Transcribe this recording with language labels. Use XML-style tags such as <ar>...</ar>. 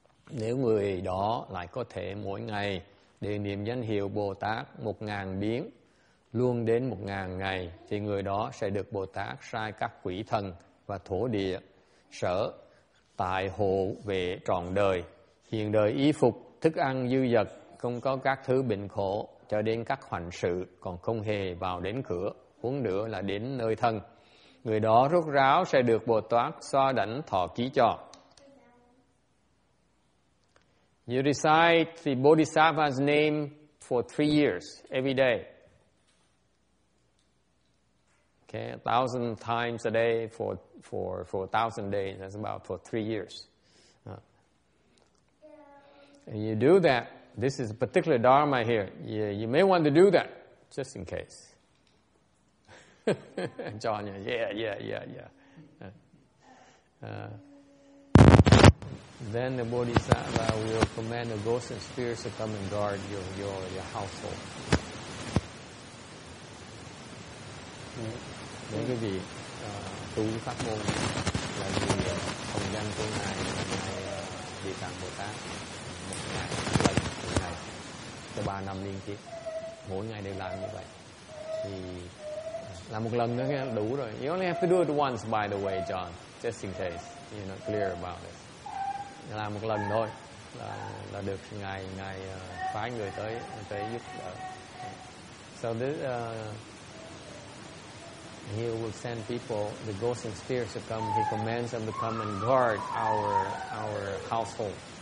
<vi>Nếu người đó lại có thể mỗi ngày để niệm danh hiệu Bồ Tát 1,000 biến, luôn đến 1,000 ngày, thì người đó sẽ được Bồ Tát sai các quỷ thần và thổ địa sở tại hộ vệ trọn đời. Hiện đời y phục, thức ăn dư dật, không có các thứ bệnh khổ, cho đến các hoành sự còn không hề vào đến cửa, huống nữa là đến nơi thân. Người đó rốt ráo sẽ được Bồ Tát xoa đảnh thọ ký cho.</vi> <en>You recite the Bodhisattva's name for 3 years, every day. Okay, 1,000 times a day for 1,000 days, that's about for 3 years. And you do that, this is a particular dharma here, you may want to do that, just in case. John, yeah. Then the Bodhisattva will command the ghosts and spirits to come and guard your household.</en> <vi>Nếu quý vị tu pháp môn là vì hồng danh của Ngài, Ngài Địa Tạng Bồ Tát, một ngày, lần, một ngày, cho 3 năm liên tiếp, mỗi ngày đều làm như vậy. Thì làm một lần nữa đủ rồi.</vi> <en>You only have to do it once, by the way, John, just in case you're not clear about it.</en> <vi>Làm một lần thôi là được ngài phái người tới giúp đỡ. So this</vi> <en>He will send people, the ghosts and spirits to come. He commands them to come and guard our household.</en>